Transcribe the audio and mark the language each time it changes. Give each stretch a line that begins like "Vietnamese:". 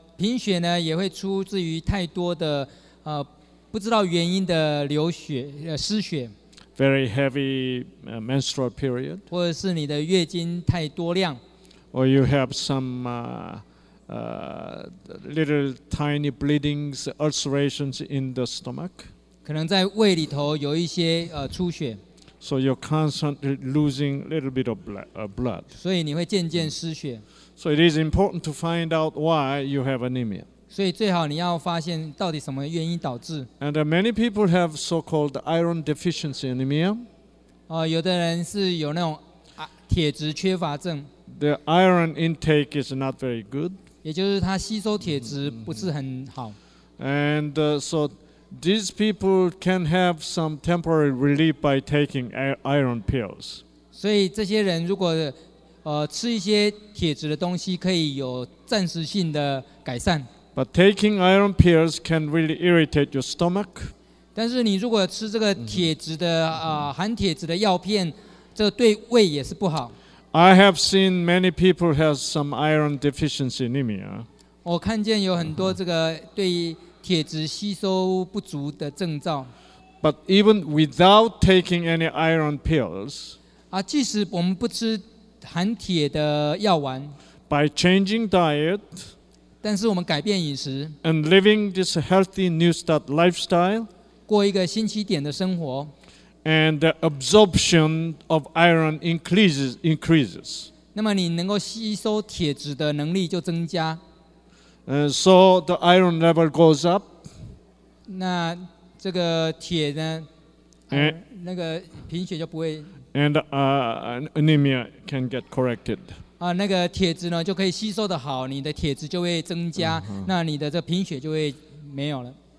Chinese: 贫血呢也会出自于太多的不知道原因的流血失血。
English: Very heavy menstrual period.
Chinese: 或者是你的月经太多量。
English: Or you have some little tiny bleedings, ulcerations in the stomach.
Chinese: 可能在胃里头有一些出血。
English: So you're constantly losing a little bit of blood.
Chinese: 所以你会渐渐失血。
English: So it is important to find out why you have anemia.
Chinese: 所以最好你要发现到底什么原因导致。
English: And many people have so-called iron deficiency anemia.
Chinese: 有的人是有那种铁质缺乏症。
English: The iron intake is not very good.
Chinese: 也就是它吸收铁质不是很好。
English: And so these people can have some temporary relief by taking iron pills.
Chinese: 所以这些人如果吃一些铁质的东西，可以有暂时性的改善。
English: But taking iron pills can really irritate your stomach.
Chinese: 但是你如果吃这个铁质的含铁质的药片，这对胃也是不好。
English: I have seen many people have some iron deficiency anemia.
Chinese: 我看见有很多这个对铁质吸收不足的症状。
English: But even without taking any iron pills,
Chinese: 即使我们不吃含铁的药丸
English: ，by changing diet，
Chinese: 但是我们改变饮食
English: ，and living this healthy new start lifestyle，
Chinese: 过一个新起点的生活
English: ，and the absorption of iron increases，
Chinese: 那么你能够吸收铁质的能力就增加
English: ，so the iron level goes up，
Chinese: 那这个铁呢，那个贫血就不会。
English: And anemia can get corrected.
Chinese: 那个铁质呢就可以吸收的好，你的铁质就会增加， 那你的这贫血就会没有了。